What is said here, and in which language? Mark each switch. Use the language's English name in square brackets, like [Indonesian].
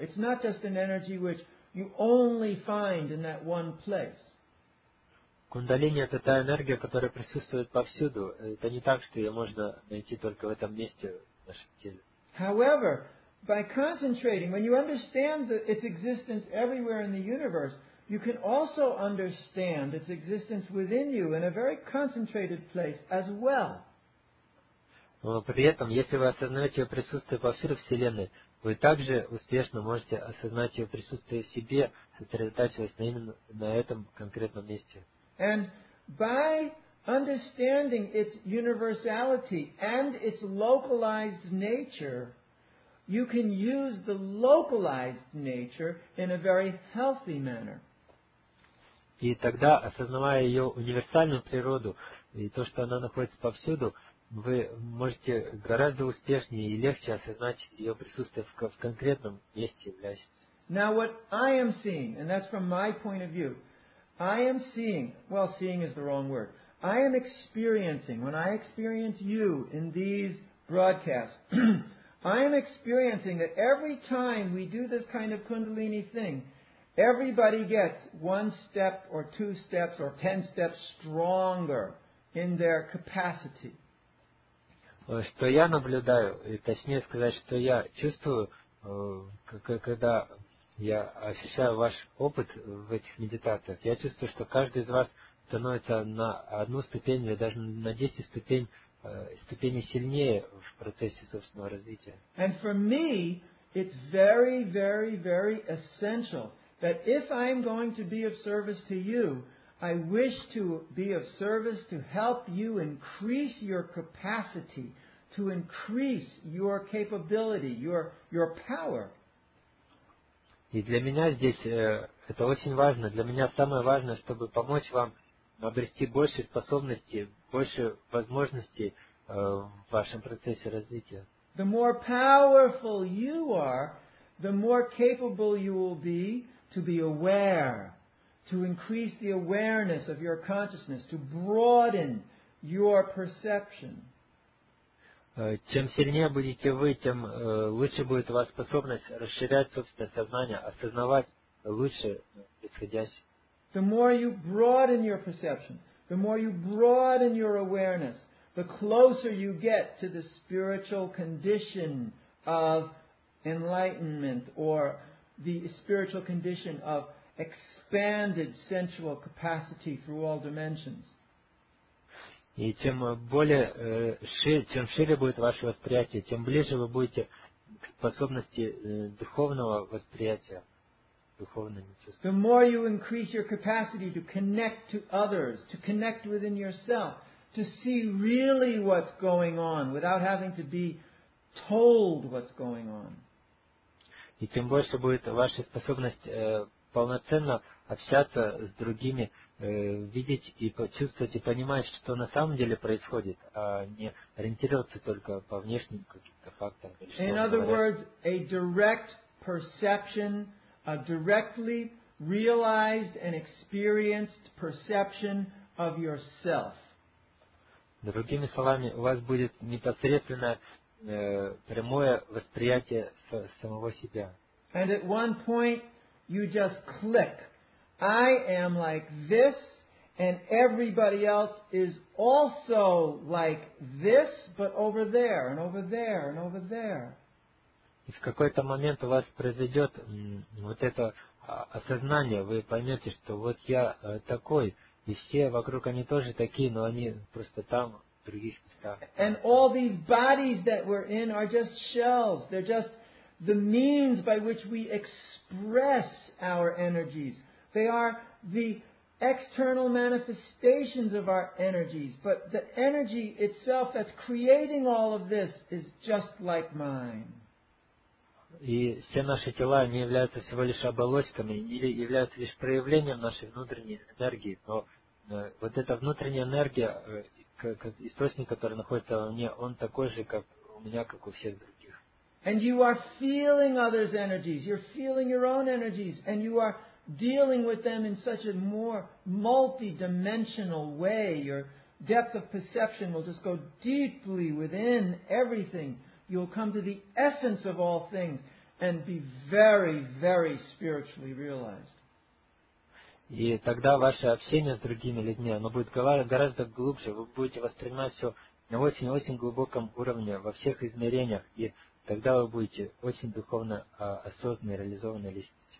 [English] It's not just an energy which you only find in that one place. [Russian] Кундалини — это та энергия, которая присутствует повсюду. Это не так, что ее можно найти только в этом месте в нашем теле. [English] However, by concentrating, when you understand its existence everywhere in the universe, you can also understand its existence within you in a very concentrated place as well. [Russian] Но при этом, если вы осознаете ее присутствие повсюду Вселенной, вы также успешно можете осознать ее присутствие в себе, сосредотачиваясь на именно на этом конкретном месте. [English] And by understanding its universality and its localized nature, you can use the localized nature in a very healthy manner. [Russian] И тогда, осознавая ее универсальную природу и то, что она находится повсюду, вы можете гораздо успешнее и легче осознать ее присутствие в конкретном месте являющемся. [English] Now what I am seeing, and that's from my point of view, I am seeing, well, seeing is the wrong word, I am experiencing, when I experience you in these broadcasts, I am experiencing that every time we do this kind of kundalini thing, everybody gets one step or two steps or 10 steps stronger in their capacity. [Russian] Что я наблюдаю, и точнее сказать, что я чувствую, когда я ощущаю ваш опыт в этих медитациях, я чувствую, что каждый из вас становится на одну ступень или даже на 10 ступеней сильнее в процессе собственного развития. [English] And for me, it's very, very, very essential that if I'm going to be of service to you, I wish to be of service to help you increase your capacity, to increase your capability, your power. [Russian] И для меня здесь это очень важно. Для меня самое важное, чтобы помочь вам обрести больше способностей, больше возможностей в вашем процессе развития. [English] The more powerful you are, the more capable you will be to be aware, to increase the awareness of your consciousness, to broaden your perception. [Russian] Чем сильнее будете вы, тем лучше будет у вас способность расширять собственное сознание, осознавать лучше происходящее. [English] The more you broaden your perception, the more you broaden your awareness, the closer you get to the spiritual condition of enlightenment or the spiritual condition of expanded sensual capacity through all dimensions. [Russian] И чем более чем шире будет ваше восприятие, тем ближе вы будете к способности духовного восприятия, духовного чувства. [English] The more you increase your capacity to connect to others, to connect within yourself, to see really what's going on without having to be told what's going on. [Russian] И тем больше будет ваша способность полноценно общаться с другими, видеть и почувствовать и понимать, что на самом деле происходит, а не ориентироваться только по внешним каким-то факторам. [English] In other words, a direct perception, a directly realized and experienced perception of yourself. [Russian] Другими словами, у вас будет непосредственно прямое восприятие самого себя. [English] And at one point, you just click. I am like this, and everybody else is also like this, but over there, and over there, and over there. [Russian] И в какой-то момент у вас произойдет вот это осознание, вы поймете, что вот я такой, и все вокруг, они тоже такие, но они просто там, в других местах. [English] And all these bodies that we're in are just shells. They're just the means by which we express our energies. They are the external manifestations of our energies, but the energy itself that's creating all of this is just like mine. [Russian] И все наши тела, они являются всего лишь оболочками или являются лишь проявлением нашей внутренней энергии, но вот эта внутренняя энергия, как источник, который находится во мне, он такой же, как у меня, как у всех других. [English] And you are feeling others' energies, you're feeling your own energies, and you are dealing with them in such a more multi-dimensional way. Your depth of perception will just go deeply within everything. You'll come to the essence of all things and be very, very spiritually realized. [Russian] И тогда ваше общение с другими людьми, оно будет гораздо глубже. Вы будете воспринимать все на очень-очень глубоком уровне, во всех измерениях. И тогда вы будете очень духовно осознанной, реализованной личностью.